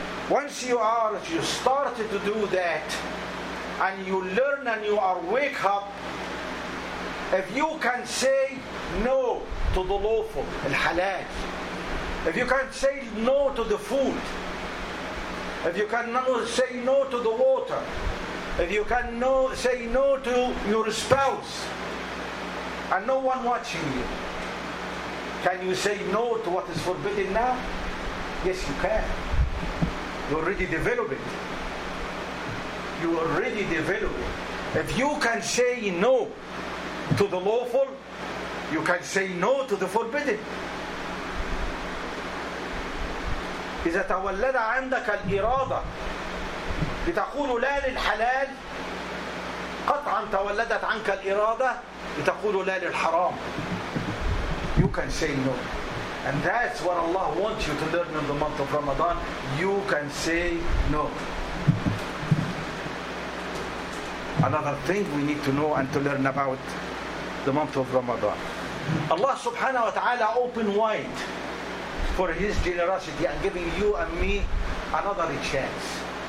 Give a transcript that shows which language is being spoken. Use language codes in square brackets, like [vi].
[en] Once you are, you started to do that, and you learn and you are wake up, if you can say no to the lawful, al-halal, if you can say no to the food, if you can say no to the water, if you can say no to your spouse, and no one watching you, can you say no to what is forbidden now? Yes, you can. You already develop it. You already develop it. If you can say no to the lawful, you can say no to the forbidden. [ar] إذا تولد عندك الإرادة لتقول لا للحلال قطعا تولدت عنك الإرادة لتقول لا للحرام. [en] You can say no. And that's what Allah wants you to learn in the month of Ramadan. You can say no. Another thing we need to know and to learn about the month of Ramadan. Allah subhanahu wa ta'ala opened wide for His generosity and giving you and me another chance.